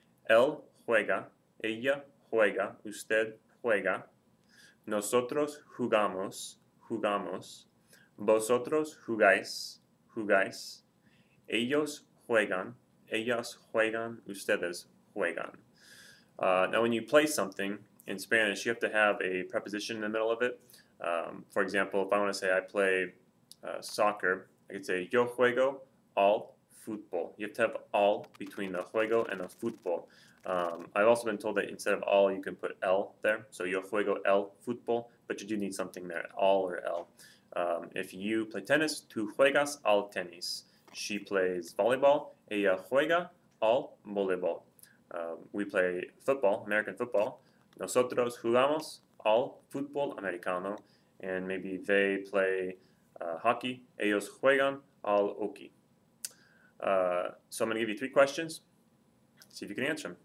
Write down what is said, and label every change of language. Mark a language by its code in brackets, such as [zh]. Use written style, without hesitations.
[es] Él juega, ella juega, usted juega. Nosotros jugamos, jugamos. Vosotros jugáis, jugáis. Ellos juegan, ellas juegan, ustedes juegan. [en] Now when you play something in Spanish, you have to have a preposition in the middle of it. For example, if I want to say I play soccer, I could say [es] yo juego al fútbol. [en] You have to have al between the juego and the fútbol. I've also been told that instead of al, you can put el there. So [es] yo juego el fútbol, [en] but you do need something there, al or el. If you play tennis, [es] tú juegas al tenis. [en] She plays volleyball, [es] ella juega al voleibol. [en] We play football, American football. [es] Nosotros jugamos al fútbol americano. [en] And maybe they play hockey. [es] Ellos juegan al hockey. [en] So I'm going to give you three questions. See if you can answer them.